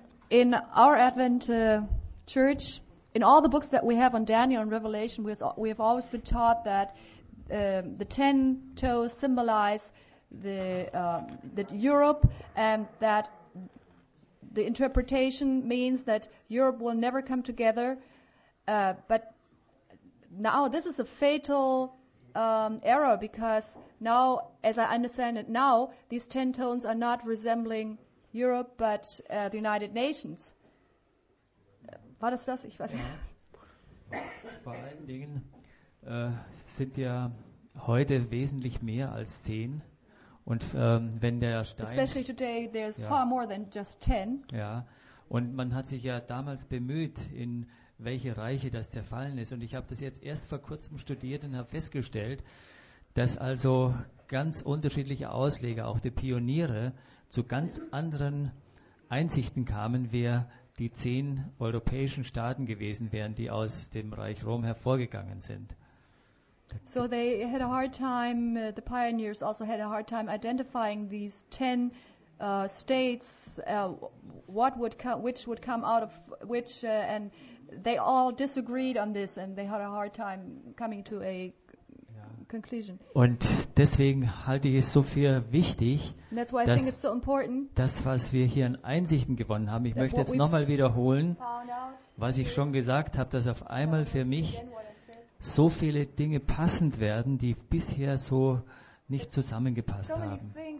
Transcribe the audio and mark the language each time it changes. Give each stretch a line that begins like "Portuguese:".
English: In our Advent Church, in all the books that we have on Daniel and Revelation, we have always been taught that the 10 toes symbolize that Europe, and that the interpretation means that Europe will never come together. But now this is a fatal error, because now, as I understand it now, these 10 tones are not resembling Europe, but the United Nations.
German: War das das? Ich weiß nicht. Vor allen Dingen sind ja heute wesentlich mehr als 10. Und wenn der Stein...
English: Especially today, there's far more than just 10.
German: Ja, und man hat sich ja damals bemüht, in welche Reiche das zerfallen ist. Und ich habe das jetzt erst vor kurzem studiert und habe festgestellt, dass also ganz unterschiedliche Ausleger, auch die Pioniere, zu ganz anderen Einsichten kamen, wer die 10 europäischen Staaten gewesen wären, die aus dem Reich Rom hervorgegangen sind.
English: So they had a hard time, the pioneers also had a hard time identifying these 10 states, which would come out of which, and they all disagreed on this and they had a hard time coming to a conclusion.
German: Und deswegen halte ich es so viel wichtig, dass was wir hier an Einsichten gewonnen haben. Ich möchte jetzt nochmal wiederholen, was ich schon gesagt habe, dass auf einmal für mich so viele Dinge passend werden, die bisher so nicht zusammengepasst haben.